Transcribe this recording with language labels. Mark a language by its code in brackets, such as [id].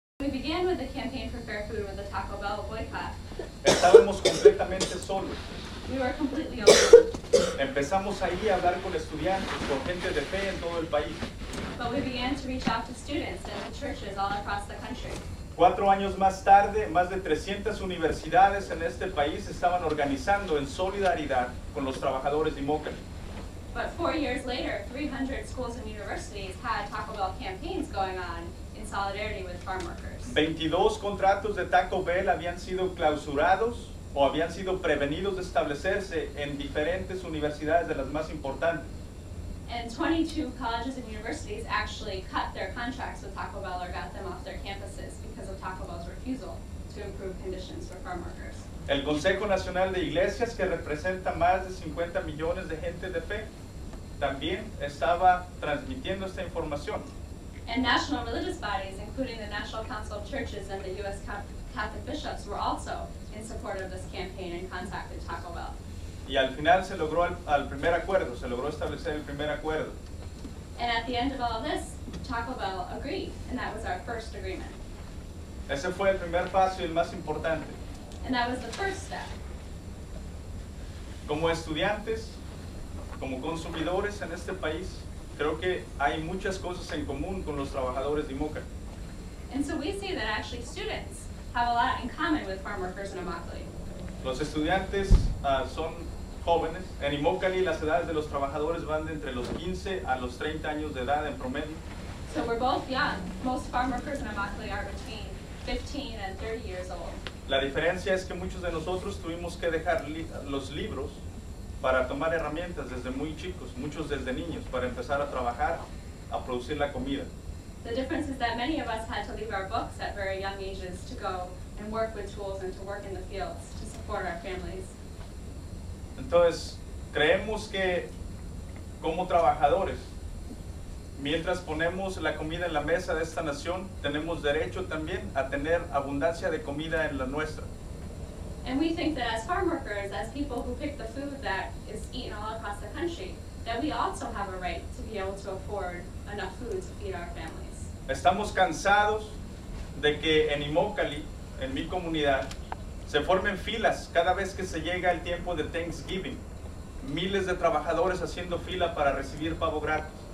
[en] began with the campaign for fair food with the Taco Bell boycott. [es] Estábamos completamente solos. [en] We were completely alone. [es] Empezamos ahí a hablar con estudiantes, con gente de fe en todo el país. [en] But we began to reach out to students and to churches all across the country. [es] 4 años más tarde, más de 300 universidades en este país estaban organizando en solidaridad con los trabajadores de Moca. [en] But 4 years later, 300 schools and universities had Taco Bell campaigns going on in solidarity with farm workers. [es] 22 contratos de Taco Bell habían sido clausurados o habían sido prevenidos de establecerse en diferentes universidades de las más importantes. [en] And 22 colleges and universities actually cut their contracts with Taco Bell or got them off their campuses because of Taco Bell's refusal to improve conditions for farm workers. [es] El Consejo Nacional de Iglesias, que representa más de 50 millones de gente de fe, también estaba transmitiendo esta información. [en] And national religious bodies, including the National Council of Churches and the U.S. Catholic Bishops, were also in support of this campaign and contacted Taco Bell. [es] Y al final se logró al primer acuerdo, se logró establecer el primer acuerdo. [en] And at the end of all this, Taco Bell agreed, and that was our first agreement. [es] Ese fue el primer paso y el más importante. [en] And that was the first step. [es] Como estudiantes, como consumidores en este país, creo que hay muchas cosas en común con los trabajadores de Imoca. [en] And so we see that actually students have a lot in common with farm workers in Immokalee. [es] Los estudiantes son jóvenes. En Immokalee las edades de los trabajadores van de entre los 15 a los 30 años de edad en promedio. [en] So we're both young. Most farm workers in Immokalee are between 15 and 30 years old. [es] La diferencia es que muchos de nosotros tuvimos que dejar los libros para tomar herramientas desde muy chicos, muchos desde niños, para empezar a trabajar, a producir la comida. [en] The difference is that many of us had to leave our books at very young ages to go and work with tools and to work in the fields to support our families. [es] Entonces, creemos que como trabajadores, mientras ponemos la comida en la mesa de esta nación, tenemos derecho también a tener abundancia de comida en la nuestra. [en] And we think that as farm workers, as people who pick the food that is eaten all across the country, that we also have a right to be able to afford enough food to feed our families. [es] Estamos cansados de que en Immokalee, en mi comunidad, se formen filas cada vez que se llega el tiempo de Thanksgiving. Miles de trabajadores haciendo fila para recibir pavo gratis.